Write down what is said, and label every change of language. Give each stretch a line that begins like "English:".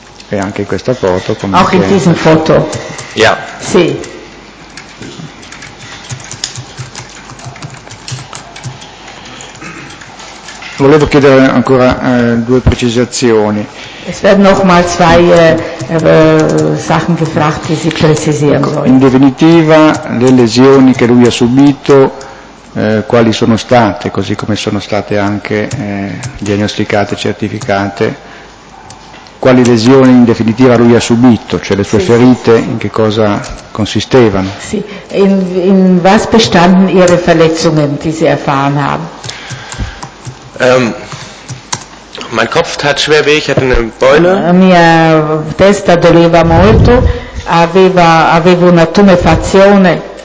Italian: E anche in questa foto, come
German: auch in diesem Foto. Ja.
Italian: Sì. Volevo chiedere ancora due precisazioni.
German: Es werden nochmal zwei Sachen gefragt, die Sie präzisieren sollen.
Italian: In definitiva, le lesioni che lui ha subito, quali sono state, così come sono state anche diagnosticate, certificate, quali lesioni in definitiva lui ha subito, cioè le sue ferite, in che cosa consistevano?
German: Sì, in was bestanden ihre Verletzungen, die Sie erfahren haben? Mein Kopf tat schwer weh, ich hatte eine Beule.
Italian: Mia testa doleva molto, avevo una tumefazione.